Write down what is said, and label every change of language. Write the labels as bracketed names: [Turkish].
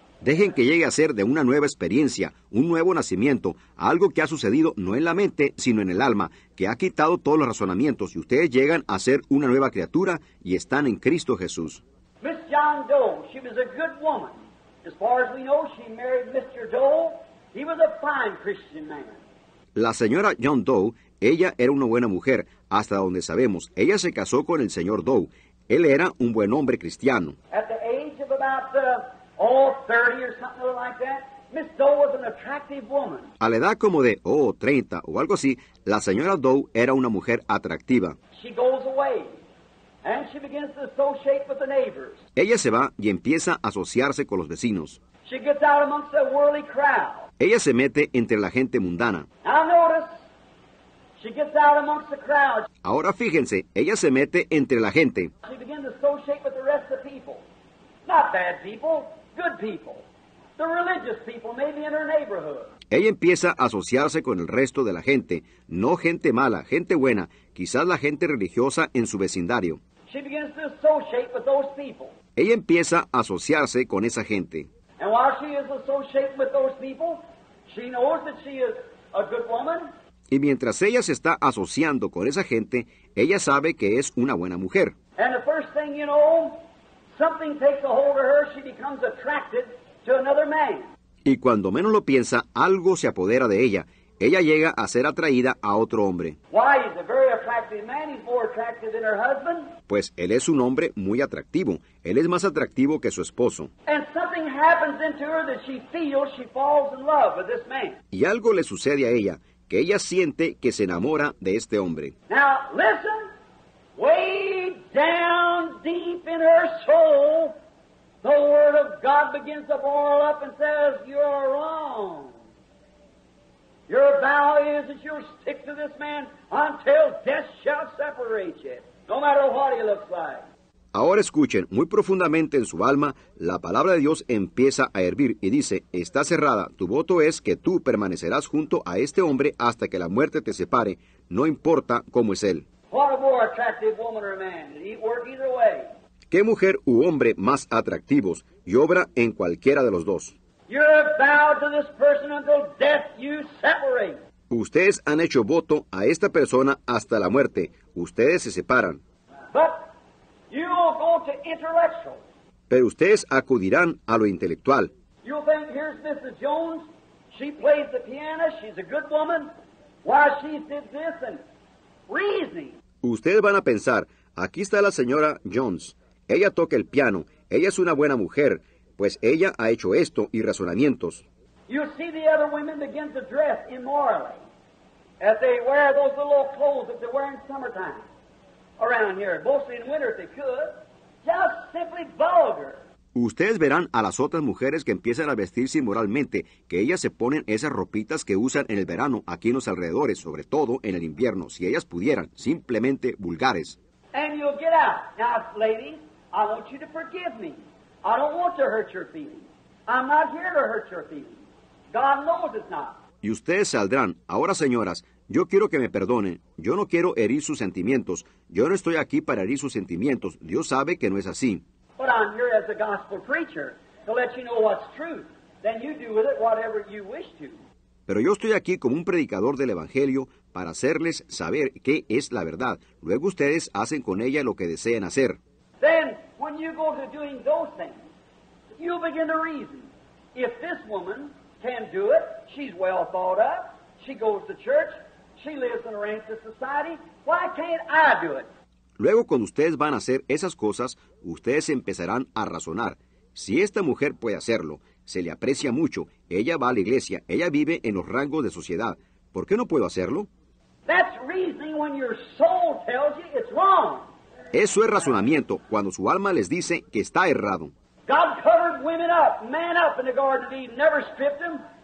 [Spanish] Dejen que llegue a ser de una nueva experiencia, un nuevo nacimiento, algo que ha sucedido no en la mente, sino en el alma, que ha quitado todos los razonamientos, y ustedes llegan a ser una nueva criatura y están en Cristo Jesús. [English] Miss John Doe, she was a good woman. As far as we know, she married Mr. Doe. He was a fine Christian man. [Spanish] La señora John Doe, ella era una buena mujer, hasta donde sabemos. Ella se casó con el señor Doe. Él era un buen hombre cristiano. [English] At the age of about the... Oh, 30 or something like that. Miss Doe was an attractive woman. [Spanish] A la edad como de, 30 o algo así, la señora Doe era una mujer atractiva. [English] She goes away, and she begins to associate with the neighbors. [Spanish] Ella se va y empieza a asociarse con los vecinos. [English] She gets out amongst the worldly crowd. [Spanish] Ella se mete entre la gente mundana. [English] Now notice, she gets out amongst the crowd. [Spanish] Ahora fíjense, ella se mete entre la gente. [English] She begins to associate with the rest of the people. Not bad people. Good people. The religious people, maybe in her neighborhood. [Spanish] Ella empieza a asociarse con el resto de la gente, no gente mala, gente buena, quizás la gente religiosa en su vecindario. [English] She begins to associate with those people. [Spanish] Ella empieza a asociarse con esa gente. [English] And while she is associating with those people, she knows that she is a good woman. [Spanish] Y mientras ella se está asociando con esa gente, ella sabe que es una buena mujer. [English] And the first thing you know, something takes a hold of her, she becomes attracted to another man. [Spanish] Y cuando menos lo piensa, algo se apodera de ella. Ella llega a ser atraída a otro hombre. [English] Why, he's a very attractive man, he's more attractive than her husband. [Spanish] Pues él es un hombre muy atractivo. Él es más atractivo que su esposo. [English] And something happens into her that she feels she falls in love with this man. [Spanish] Y algo le sucede a ella, que ella siente que se enamora de este hombre. [English] Now, listen. Way down deep in her soul, the word of God begins to boil up and says, you're wrong. Your vow is that you'll stick to this man until death shall separate you, no matter what he looks like. [Spanish] Ahora escuchen, muy profundamente en su alma, la palabra de Dios empieza a hervir y dice, está cerrada, tu voto es que tú permanecerás junto a este hombre hasta que la muerte te separe, no importa cómo es él. [English] What a more attractive woman or man. It work either way. [Spanish] ¿Qué mujer u hombre más atractivos? Y obra en cualquiera de los dos. [English] You're vowed to this person until death you separate. [Spanish] Ustedes han hecho voto a esta persona hasta la muerte. Ustedes se separan. [English] But you will go to intellectual. [Spanish] Pero ustedes acudirán a lo intelectual. [English] You'll think, here's Mrs. Jones. She plays the piano. She's a good woman. Why she did this and... [Spanish] Ustedes van a pensar, aquí está la señora Jones. Ella toca el piano. Ella es una buena mujer, pues ella ha hecho esto y razonamientos. [English] You see the other women begin to dress immorally as they wear those little clothes that they wear in summertime around here, mostly in winter if they could. Just simply vulgar. [Spanish] Ustedes verán a las otras mujeres que empiezan a vestirse inmoralmente, que ellas se ponen esas ropitas que usan en el verano aquí en los alrededores, sobre todo en el invierno, si ellas pudieran, simplemente vulgares. [English] And you'll get out. Now, ladies, I want you to forgive me. I don't want to hurt your feelings. I'm not here to hurt your feelings. God knows it's not. [Spanish] Y ustedes saldrán. Ahora, señoras, yo quiero que me perdonen. Yo no quiero herir sus sentimientos. Yo no estoy aquí para herir sus sentimientos. Dios sabe que no es así. [English] But I'm here as a gospel preacher to let you know what's truth. Then you do with it whatever you wish to. [Spanish] Pero yo estoy aquí como un predicador del evangelio para hacerles saber qué es la verdad. Luego ustedes hacen con ella lo que deseen hacer. [English] Then, when you go to doing those things, you begin to reason. If this woman can do it, she's well thought up, she goes to church, she lives in a ranked society, why can't I do it? [Spanish] Luego, cuando ustedes van a hacer esas cosas, ustedes empezarán a razonar. Si esta mujer puede hacerlo, se le aprecia mucho, ella va a la iglesia, ella vive en los rangos de sociedad. ¿Por qué no puedo hacerlo? [English] That's reasoning when your soul tells you it's wrong. [Spanish] Eso es razonamiento cuando su alma les dice que está errado. [English] God covered women up, man up in the Garden of Eden, never stripped them.